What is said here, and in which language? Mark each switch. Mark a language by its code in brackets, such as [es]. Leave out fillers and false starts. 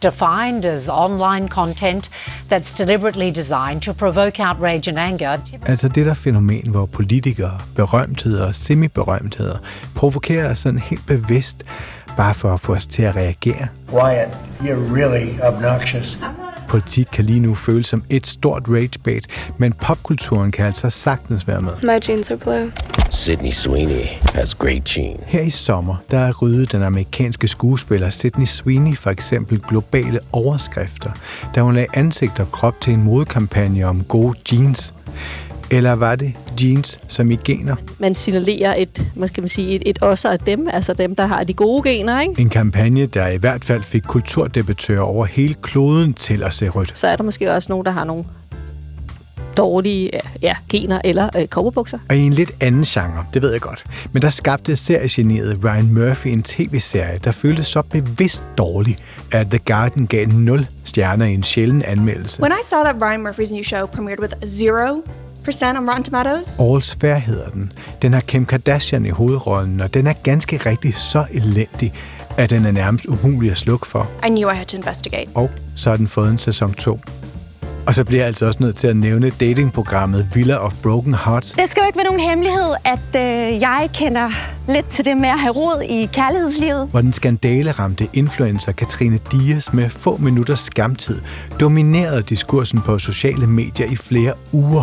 [en] Defined as online content that's deliberately designed to provoke outrage and anger. [da] Altså det der fænomen, hvor politikere, berømtheder og semi-berømtheder provokerer sådan helt bevidst, bare for at få os til at reagere. [en] Wyatt, you're really obnoxious. [da] Politik kan lige nu føles som et stort ragebait, men popkulturen kan altså sagtens være med. [en] My jeans are blue. Sydney Sweeney has great jeans. [da] Her i sommer, der er ryddet den amerikanske skuespiller Sydney Sweeney for eksempel globale overskrifter, da hun lagde ansigt og krop til en modekampagne om gode jeans. Eller var det jeans som i gener? Man signalerer et, hvad skal man sige, et os af dem, altså dem, der har de gode gener, ikke? En kampagne, der i hvert fald fik kulturdebattører over hele kloden til at se rødt. Så er der måske også nogen, der har nogle dårlige gener eller kobberbukser. Og i en lidt anden genre, det ved jeg godt. Men der skabte seriegeniet Ryan Murphy en tv-serie, der føltes så bevidst dårlig, at The Garden gav 0 stjerner i en sjælden anmeldelse. [en] When I saw that Ryan Murphy's new show premiered with 0% on Rotten Tomatoes. [da] All's Fair hedder den. Den har Kim Kardashian i hovedrollen, og den er ganske rigtig så elendig, at den er nærmest umulig at slukke for. [en] I knew I had to investigate. [da] Og så har den fået en sæson 2. Og så bliver jeg altså også nødt til at nævne datingprogrammet Villa of Broken Hearts. Det skal jo ikke være nogen hemmelighed, at jeg kender lidt til det med at have rod i kærlighedslivet. Hvor den skandaleramte influencer Katrine Dias med få minutters skamtid dominerede diskursen på sociale medier i flere uger.